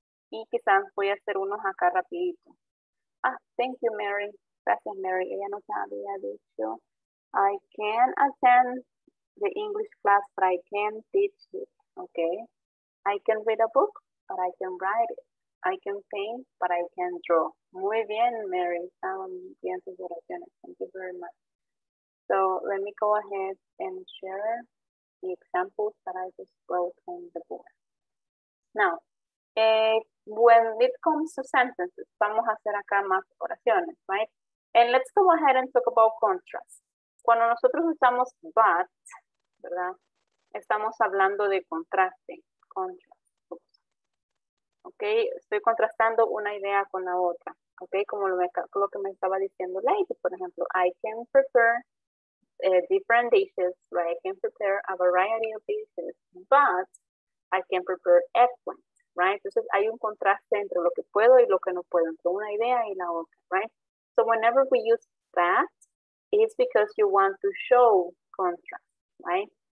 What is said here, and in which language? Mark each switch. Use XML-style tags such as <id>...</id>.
<es>Y quizás voy a hacer unos acá rapidito.</es> <en>Ah, thank you, Mary.</en> <es>Gracias, Mary. Ella nos había dicho,</es> <en>I can attend the English class, but I can't teach it, okay? I can read a book, but I can write it. I can paint, but I can draw.</en> <es>Muy bien, Mary. Bien sus oraciones.</es> <en>Thank you very much. So let me go ahead and share the examples that I just wrote on the board. Now, when it comes to sentences,</en> <es>vamos a hacer acá más oraciones,</es> <en>right? And let's go ahead and talk about contrast.</en> <es>Cuando nosotros usamos but, ¿verdad? Estamos hablando de contraste.</es> <en>Contrast. Oops.</en> <es>Ok, estoy contrastando una idea con la otra.</es> <en>Ok,</en> <es>como lo que me estaba diciendo Lady, por ejemplo,</es> <en>I can prepare different dishes, right? I can prepare a variety of dishes, but I can prepare eggplant. Right?</en> <es>Entonces hay un contraste entre lo que puedo y lo que no puedo, entre una idea y la otra, right?</es> <en>So whenever we use that, it's because you want to show contrast, right?</en>